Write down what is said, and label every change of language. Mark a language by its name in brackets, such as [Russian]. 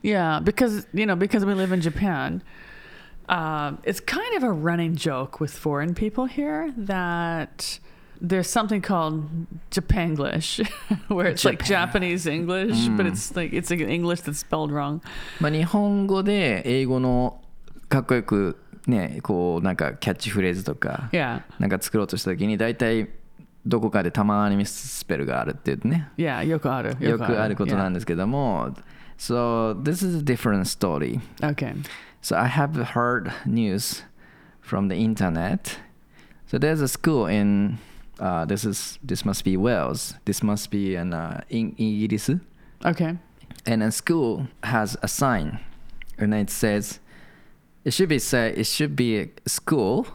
[English] Yeah, because we live in Japan. It's kind of a running joke with foreign people here that there's something called Japanglish, where it's Japan. Like Japanese English, but it's like English that's spelled wrong. [Japanese] まあ、日本語で英語のかっこよくね、こうなんかキャッチフレーズとか、なんか作ろうとした時に大体どこかでたまにミススペルがあるってね。 Yeah, よくある。よくあることなんですけども。 [English] So this is a different story. Okay. So I have heard news from the internet. So there's a school in this must be Wales. This must be in English. Okay. And a school has a sign, and it says it should be a school.